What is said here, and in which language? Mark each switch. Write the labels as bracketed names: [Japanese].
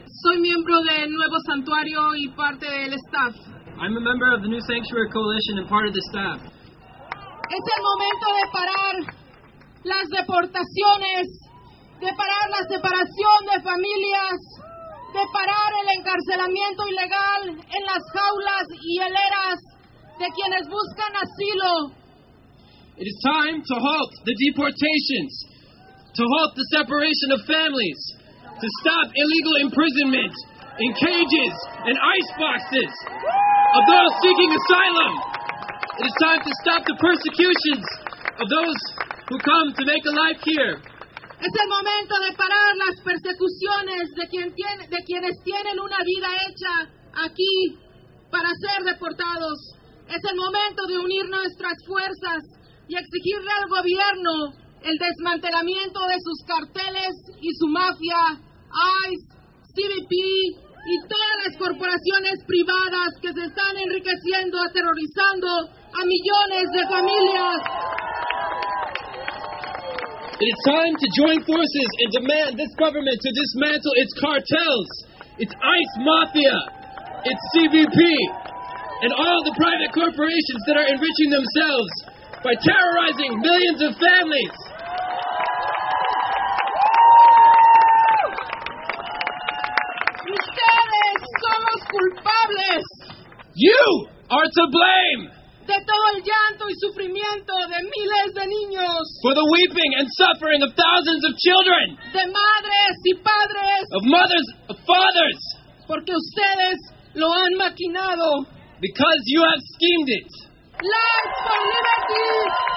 [Spanish] Soy miembro del Nuevo Santuario y parte del staff. [English] I'm a member of the New Sanctuary Coalition and part of the staff. [Spanish] Es el momento de parar las deportaciones de parar la separación de familias, de parar el encarcelamiento ilegal en las jaulas y hileras de quienes buscan asilo. [English] It is time to halt the deportations, to halt the separation of families, to stop illegal imprisonment in cages and ice boxes of those seeking asylum. It is time to stop the persecutions of those who come to make a life here. [Spanish] Es el momento de parar las persecuciones de quienes tienen una vida hecha aquí para ser deportados. Es el momento de unir nuestras fuerzas y exigirle al gobierno el desmantelamiento de sus carteles y su mafia, ICE, CBP y todas las corporaciones privadas que se están enriqueciendo, aterrorizando a millones de familias. [English] It is time to join forces and demand this government to dismantle its cartels, its ICE mafia, its CBP, and all the private corporations that are enriching themselves by terrorizing millions of families. [Spanish] Ustedes son los culpables. [English] You are to blame. [Spanish] De todo el llanto y sufrimiento de miles de niños. [English] For the weeping and suffering of thousands of children. [Spanish] De madres y padres. [English] Of mothers, of fathers. [Spanish] Porque ustedes lo han maquinado. [English] Because you have schemed it. Life for liberty.